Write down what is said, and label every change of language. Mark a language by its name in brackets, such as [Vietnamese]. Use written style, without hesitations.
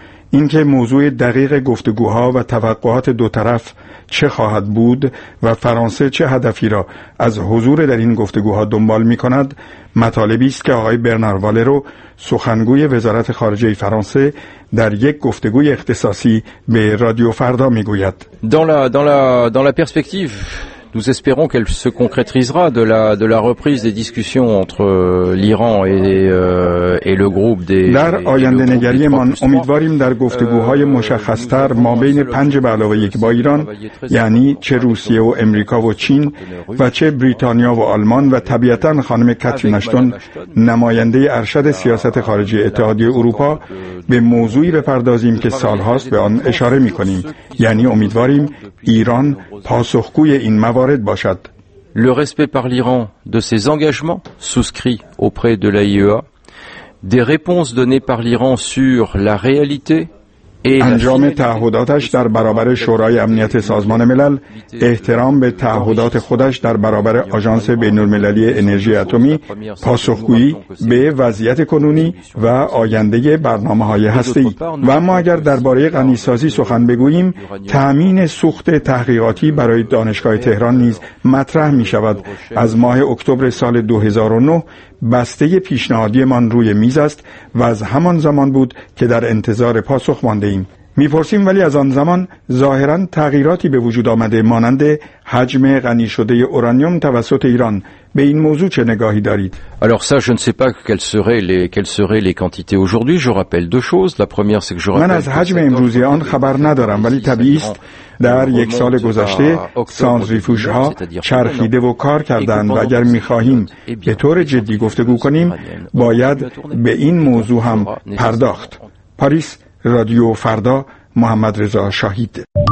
[Persian] اینکه موضوع دقیق گفتگوها و توقعات دو طرف چه خواهد بود و فرانسه چه هدفی را از حضور در این گفتگوها دنبال می کند، مطالبی است که آقای برنار والرو سخنگوی وزارت خارجه فرانسه در یک گفتگوی اختصاصی به رادیو فردا می گوید. [French] Dans la perspective, nous espérons qu'elle se concrétisera de la reprise des discussions entre l'Iran et le groupe des. [Persian] در آینده نگری من امیدواریم در گفتگوهای مشخصتر ما بین 5 به علاوه 1 با ایران، یعنی چه روسیه و امریکا و چین و چه بریتانیا و آلمان و طبیعتاً خانم کاترین اشتون نماینده ارشد سیاست خارجی اتحادیه اروپا، به موضوعی بپردازیم که سالهاست به آن اشاره می‌کنیم، یعنی امیدواریم ایران پاسخگوی این موارد باشد. [French] Le respect par l'Iran de ses engagements souscrits auprès de l'AIEA, des réponses données par l'Iran sur la réalité et [Persian] انجام تعهداتش در برابر شورای امنیت سازمان ملل، احترام به تعهدات خودش در برابر آژانس بین‌المللی انرژی اتمی، پاسخگویی به وضعیت کنونی و آینده برنامه‌های هسته‌ای. و اما اگر درباره غنی‌سازی سخن بگوییم، تأمین سوخت تحقیقاتی برای دانشگاه تهران نیز مطرح می‌شود. از ماه اکتبر سال 2009 بسته پیشنهادی من روی میز است و از همان زمان بود که در انتظار پاسخ مانده ایم. میپرسیم ولی از آن زمان ظاهراً تغییراتی به وجود آمده، مانند حجم غنی شده اورانیوم توسط ایران. به این موضوع چه نگاهی دارید؟ [French] Alors ça je ne sais pas quelles seraient les quantités aujourd'hui. Je rappelle deux choses. La première c'est que je rappelle [Persian] من از حجم امروزی آن خبر ندارم، ولی طبیعی است در یک سال گذشته سانتریفوژها چرخیده و کار کردند و اگر می‌خواهیم به طور جدی گفتگو کنیم باید به این موضوع هم پرداخت. پاریس، رادیو فردا، محمد رضا شاهید.